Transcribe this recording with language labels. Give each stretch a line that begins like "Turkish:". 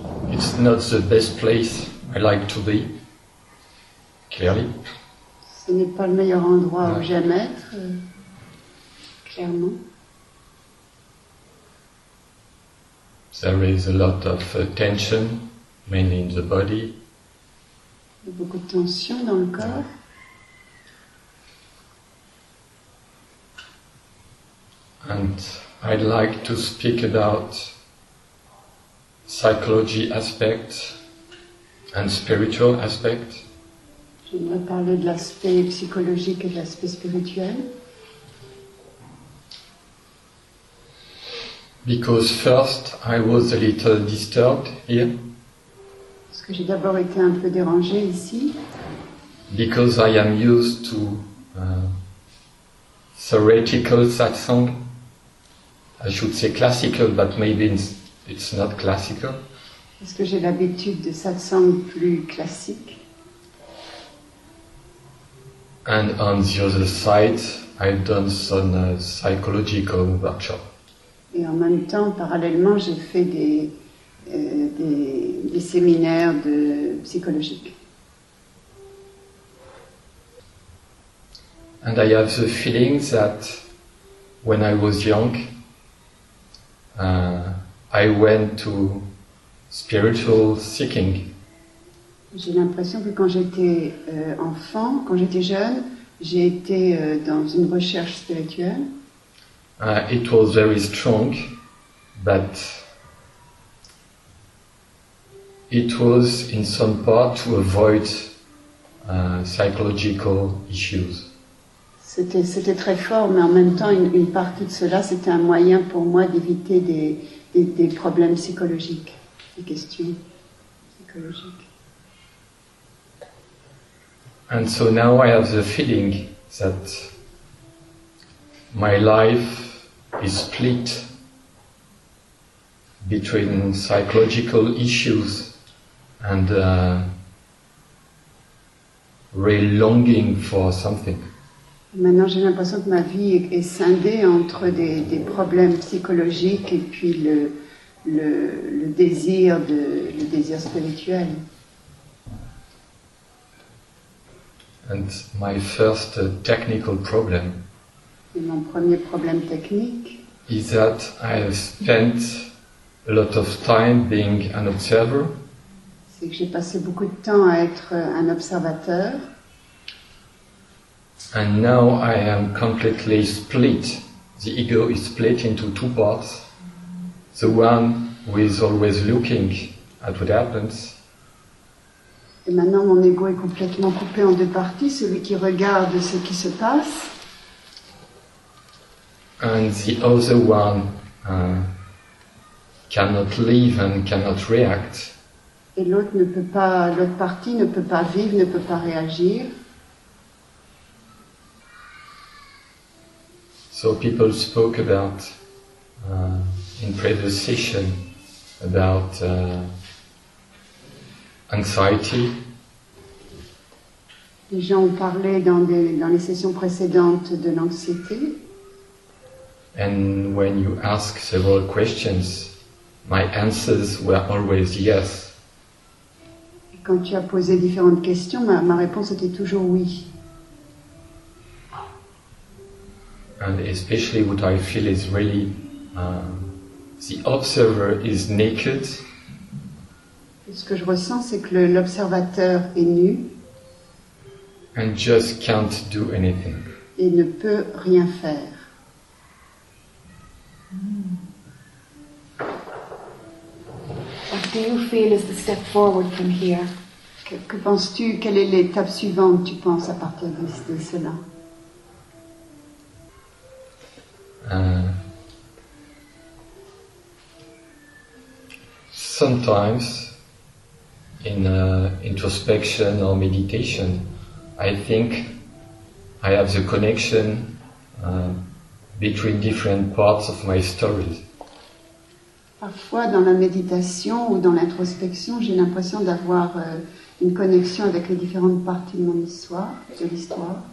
English: It's not the best place I like to be, clearly.
French: Ce n'est pas le meilleur endroit où j'aime être.
English: There is a lot of tension, mainly in the body.
French: Il y a beaucoup de tension dans le corps.
English: And I'd like to speak about psychology aspect and spiritual aspect.
French: J'aimerais parler de l'aspect psychologique et de l'aspect spirituel.
English: Because first I was a little disturbed here.
French: Parce que j'ai d'abord été un peu dérangé ici.
English: Because I am used to theoretical satsang. I should say classical, but maybe it's not classical.
French: Parce que j'ai l'habitude de satsang plus classique.
English: And on the other side, I've done some psychological workshop.
French: Et en même temps, parallèlement, j'ai fait des séminaires de psychologiques.
English: And I have the feeling that when I was young, I went to spiritual seeking.
French: J'ai l'impression que quand j'étais enfant, quand j'étais jeune, j'ai été dans une recherche spirituelle.
English: It was very strong, but it was in some part to avoid psychological issues.
French: C'était très fort, mais en même temps, une partie de cela, c'était un moyen pour moi d'éviter des problèmes psychologiques, des questions psychologiques.
English: And so now I have the feeling that my life is split between psychological issues and real longing for something.
French: Maintenant, j'ai l'impression que ma vie est scindée entre des problèmes psychologiques et puis le désir spirituel.
English: And my first technical problem.
French: Et mon premier problème technique.
English: Is that I have spent a lot of time being an observer.
French: C'est que j'ai passé beaucoup de temps à être un observateur.
English: And now I am completely split. The ego is split into two parts. The one who is always looking at what happens.
French: Et maintenant mon ego est complètement coupé en deux parties, celui qui regarde ce qui se passe.
English: And the other one cannot live and cannot react.
French: Et l'autre ne peut pas, l'autre partie ne peut pas vivre, ne peut pas réagir.
English: So people spoke about in previous session about anxiety.
French: Les gens ont parlé dans les sessions précédentes de l'anxiété.
English: And when you ask several questions, my answers were always yes.
French: Et quand tu as posé différentes questions, ma réponse était toujours oui.
English: And especially what I feel is really the observer is naked.
French: Et ce que je ressens, c'est que l'observateur est nu.
English: And just can't do anything.
French: Et ne peut rien faire.
English: What do you feel is the step forward from here?
French: Que penses-tu? Quelle est l'étape suivante, tu penses, à partir de cela?
English: Sometimes in introspection or meditation, I think I have the connection between different parts of my stories.
French: Parfois, dans la méditation ou dans l'introspection, j'ai l'impression d'avoir une connexion avec les différentes parties de mon histoire, de l'histoire.